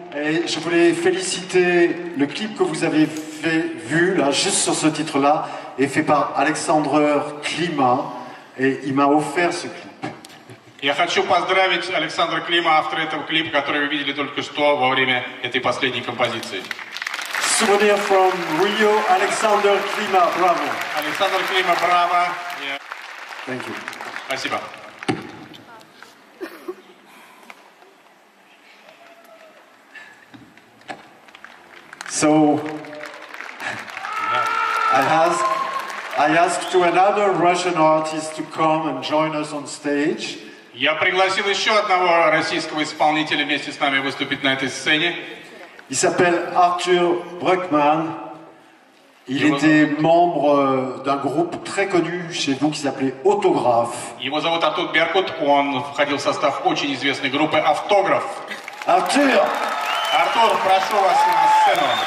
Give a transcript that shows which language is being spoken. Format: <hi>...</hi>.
<fr>Et je voulais féliciter le clip que vous avez vu là, juste sur ce titre-là, est fait par Alexandre Klima et il m'a offert ce clip.</fr> <ru>Я хочу поздравить Александра Клима, автора этого клипа, который вы видели только что во время этой последней композиции.</ru> <en>Souvenir from Rio, Alexander Klima, bravo. Alexander Klima, bravo. Yeah. Thank you.</en> <ru>Спасибо.</ru> <en>So, yeah. I asked to another Russian artist to come and join us on stage.</en> <ru>Я пригласил еще одного российского исполнителя вместе с нами выступить на этой сцене.</ru> <fr>Il s'appelle Arthur Bruckman. Il était membre d'un groupe très connu chez vous qui s'appelait Autograph.</fr> <ru>Его зовут Артур Беркут. Он входил в состав очень известной группы Автограф. Артур! Артур, прошу вас на сцену.</ru>